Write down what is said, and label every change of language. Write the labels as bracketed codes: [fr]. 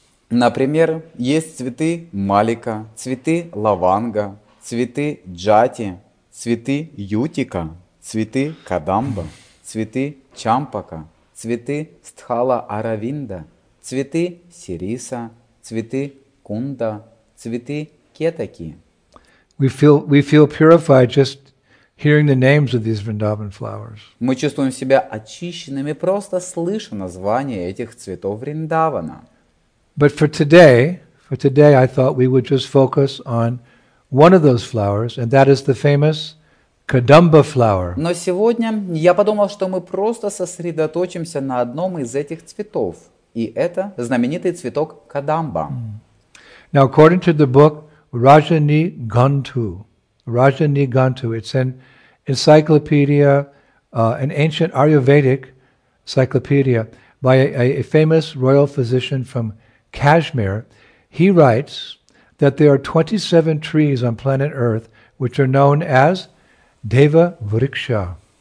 [ru] Например, есть цветы Малика, цветы Лаванга, цветы джати, цветы ютика, цветы кадамба, цветы чампака, цветы стхала аравинда, цветы сириса, цветы кунда, цветы кетаки. [en] We feel purified just hearing the names of these Vrindavan flowers. [ru] Мы чувствуем себя очищенными просто слыша название этих цветов Вриндавана. [en] But for today I thought we would just focus on one of those flowers, and that is the famous Kadamba flower. [ru] Но сегодня я подумал, что мы просто сосредоточимся на одном из этих цветов, и это знаменитый цветок Кадамба. [en] Now, according to the book Rajanigantu, it's an encyclopedia, an ancient Ayurvedic encyclopedia by a famous royal physician from Kashmir. He writes that there are 27 trees on planet Earth which are known as Deva Vriksha.